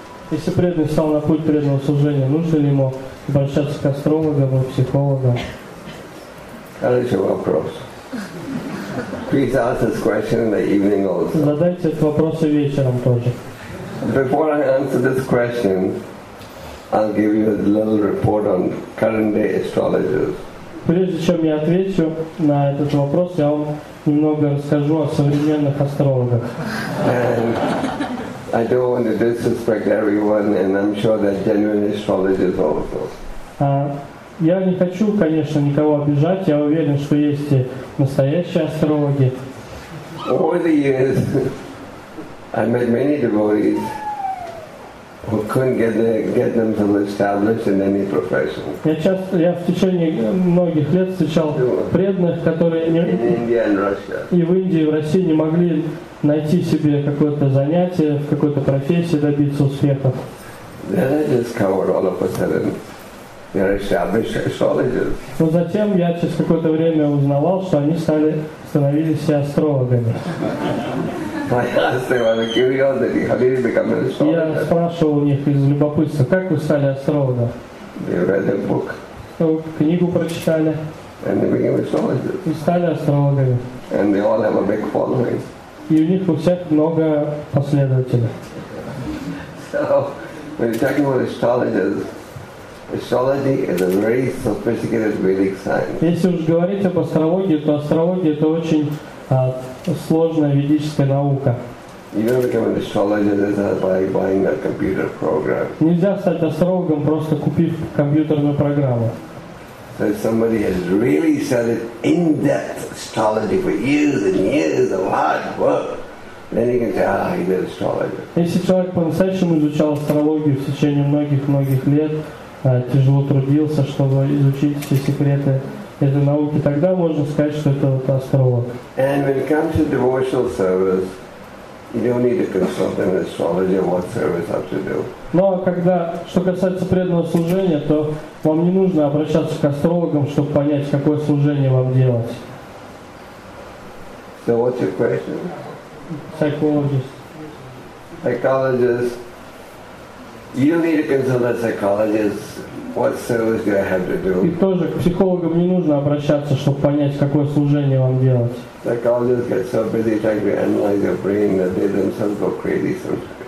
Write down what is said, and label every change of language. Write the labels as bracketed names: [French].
[Russian] Если преданный стал на путь преданного служения, нужно ли ему обращаться к астрологам и психологам? Задайте вопрос. [English] Please ask this question in the evening also. [Russian] Задайте этот вопрос и вечером тоже. [English] Before I answer this question, I'll give you a little report on current day astrologers. [Russian] Прежде чем я отвечу на этот вопрос, я вам немного расскажу о современных астрологах. [English] I don't want to disrespect everyone, and I'm sure that genuine astrologers also. [Russian] Я не хочу, конечно, никого обижать. Я уверен, что есть и настоящие астрологи. [English] Over the years, I met many devotees who couldn't get themselves established in any profession. [Russian] Я в течение многих лет встречал преданных, которые в Индии и в России не могли найти себе какое-то занятие, в какой-то профессии добиться успеха. [English] Then I discovered all of a sudden they're established astrologers. [Russian] Но затем я через какое-то время узнавал, что они становились себя астрологами. Я спрашивал у них из любопытства, как вы стали астрологом? [English] They read a book. [Russian] Книгу прочитали. [English] And they became astrologers. [Russian] И стали астрологами. [English] And they all have a big following. [Russian] И у них у всех много последователей. [English] So, When you're talking about astrologers, astrology is a very sophisticated Vedic science. [Russian] Если уж говорить об астрологии, то астрология это очень сложная ведическая наука. [English] You don't become an astrologer just by buying a computer program. [Russian] Нельзя стать астрологом просто купив компьютерную программу. [English] So somebody has really studied in-depth astrology for years and years of hard work. Then you can say, he's an astrologer. [Russian] Если человек по-настоящему изучал астрологию в течение многих лет, тяжело трудился, чтобы изучить все секреты этой науки, тогда можно сказать, что это вот астролог. [English] And when it comes to devotional service, you don't need to consult an astrologer what service I have to do. [Russian] Но когда, что касается преданного служения, то вам не нужно обращаться к астрологам, чтобы понять, какое служение вам делать. [English] So what's your question? Psychologist. You need to consult a psychologist. What service do I have to do? [Russian] И тоже к психологам не нужно обращаться, чтобы понять, какое служение вам делать. [English] Psychologists get so busy trying to analyze your brain that they themselves go crazy sometimes.